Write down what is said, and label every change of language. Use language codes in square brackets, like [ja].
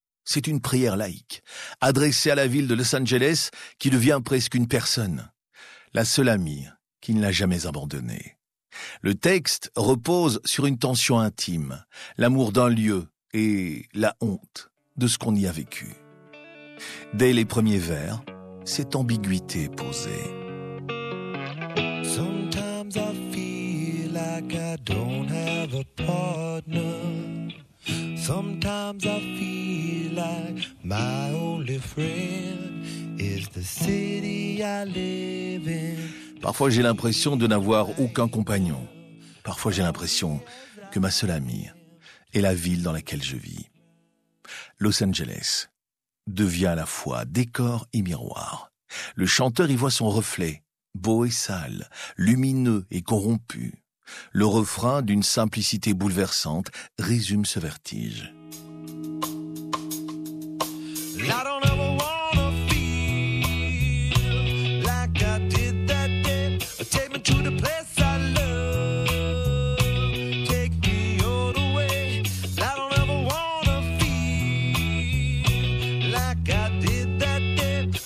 [fr] C'est une prière laïque, adressée à la ville de Los Angeles qui devient presque une personne, la seule amie qui ne l'a jamais abandonnée. Le texte repose sur une tension intime, l'amour d'un lieu et la honte de ce qu'on y a vécu. Dès les premiers vers, cette ambiguïté est posée. [en] Sometimes I feel like I don't have a partner. Sometimes I feel my only friend is the city I live in. [fr] Parfois j'ai l'impression de n'avoir aucun compagnon. Parfois j'ai l'impression que ma seule amie est la ville dans laquelle je vis. Los Angeles devient à la fois décor et miroir. Le chanteur y voit son reflet, beau et sale, lumineux et corrompu. Le refrain, d'une simplicité bouleversante, résume ce vertige. [en] I don't ever wanna feel like I did that day. Take me to the place I love. Take me all the way. I don't ever wanna feel like I did that day.